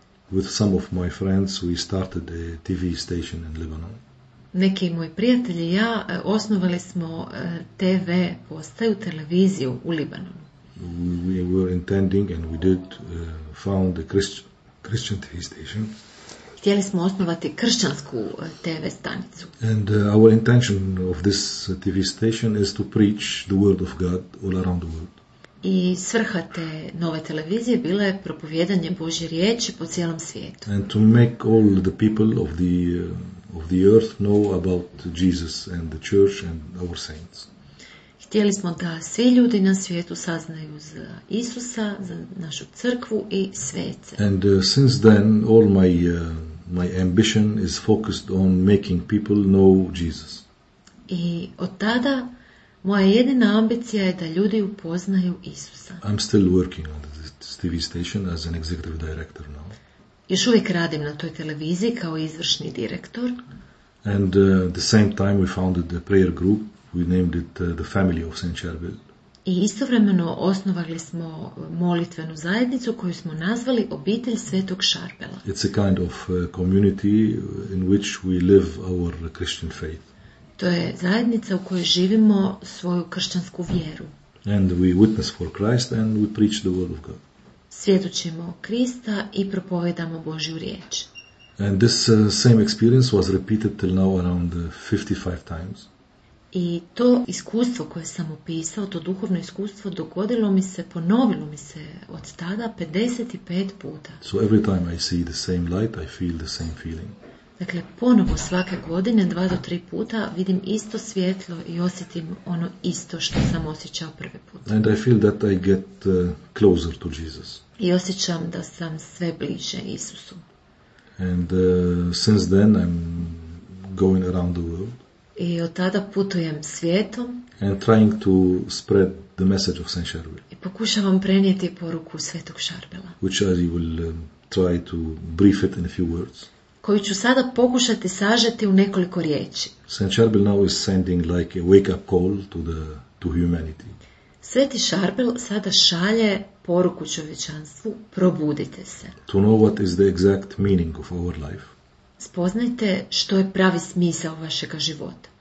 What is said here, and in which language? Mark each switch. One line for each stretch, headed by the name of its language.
English: With some of my friends we started a TV station in Lebanon.
Croatian: Neki moji prijatelji i ja osnovali smo TV postaju, televiziju u Libanonu.
English: We were intending and we did found a Christian TV station.
Croatian: Htjeli smo osnovati kršćansku TV stanicu.
English: And our intention of this TV station is to preach the word of God all around the world.
Croatian: I svrha te nove televizije bila je propovjedanje Božje riječi po cijelom svijetu.
English: And to make all the people of the earth know about Jesus and the church and our saints.
Croatian: Htjeli smo da svi ljudi na svijetu saznaju za Isusa, za našu crkvu i svece.
English: And since then all my ambition is focused on making people know Jesus.
Croatian: I od tada moja jedina ambicija je da ljudi upoznaju Isusa.
English: I'm still working on this TV station as an executive director now.
Croatian: Još uvijek radim na toj televiziji kao izvršni direktor.
English: And at the same time we founded a prayer group. We named it the Family of Saint Charbel.
Croatian: I istovremeno osnovali smo molitvenu zajednicu koju smo nazvali Obitelj Svetog Šarbela.
English: It's a kind of community in which we live our Christian faith.
Croatian: To je zajednica u kojoj živimo svoju kršćansku vjeru.
English: And we witness for Christ and we preach the word of God.
Croatian: Svjedočimo Krista i propovedamo Božju riječ.
English: And this same experience was repeated till now around 55 times.
Croatian: I to iskustvo koje sam opisao, to duhovno iskustvo, dogodilo mi se, ponovilo mi se od tada 55 puta.
English: So every time I see the same light, I feel the same feeling.
Croatian: Dakle, ponovo svake godine, 2 do 3 puta, vidim isto svjetlo i osjetim ono isto što sam osjećao prvi put.
English: And I feel that I get closer to Jesus.
Croatian: I osjećam da sam sve bliže Isusu.
English: And since then I'm going around the world.
Croatian: I od tada putujem svijetom.
English: And trying to spread the message of Saint Charbel.
Croatian: I pokušavam prenijeti poruku Svetog Šarbela.
English: Which I will try to brief it in a few words.
Croatian: Koju ću sada pokušati sažeti u nekoliko riječi.
English: Saint Charbel now is sending like a wake up call to humanity.
Croatian: Sveti Šarbel sada šalje poruku čovječanstvu, probudite se.
English: To know what is the exact meaning of our life.
Croatian: Spoznajte što je pravi smisao vašega života.